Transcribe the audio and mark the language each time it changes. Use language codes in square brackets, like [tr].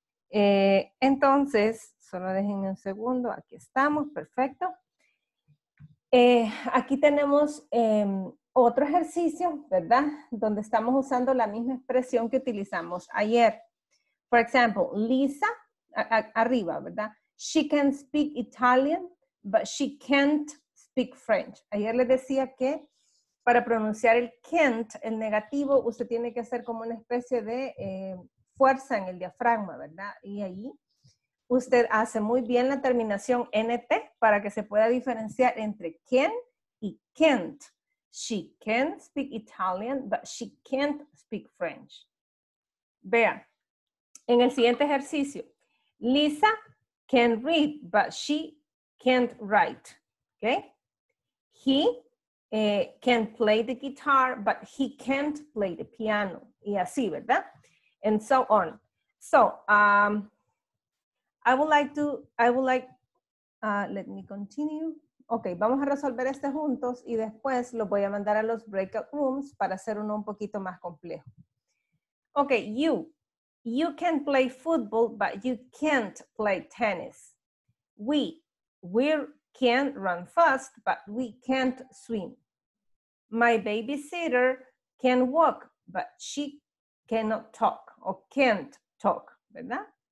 [es] Entonces, solo déjenme un segundo. Aquí estamos. Perfecto. Aquí tenemos otro ejercicio, ¿verdad? Donde estamos usando la misma expresión que utilizamos ayer. [en] For example, Lisa, [es] arriba, ¿verdad? [en] She can speak Italian, but she can't speak French. [es] Ayer le decía que para pronunciar el can't, el negativo, usted tiene que hacer como una especie de fuerza en el diafragma, ¿verdad? Y ahí usted hace muy bien la terminación NT para que se pueda diferenciar entre can y can't. [en] She can speak Italian, but she can't speak French. [es] Vea, en el siguiente ejercicio, [en] Lisa can read, but she can't write. Okay? He can play the guitar, but he can't play the piano. [es] Y así, ¿verdad? [en] And so on. So, let me continue. [es] Ok, vamos a resolver este juntos y después lo voy a mandar a los breakout rooms para hacer uno un poquito más complejo. [en] Ok, you can play football, but you can't play tennis. We can run fast, but we can't swim. My babysitter can walk, but she cannot talk or can't talk, [es] ¿verdad?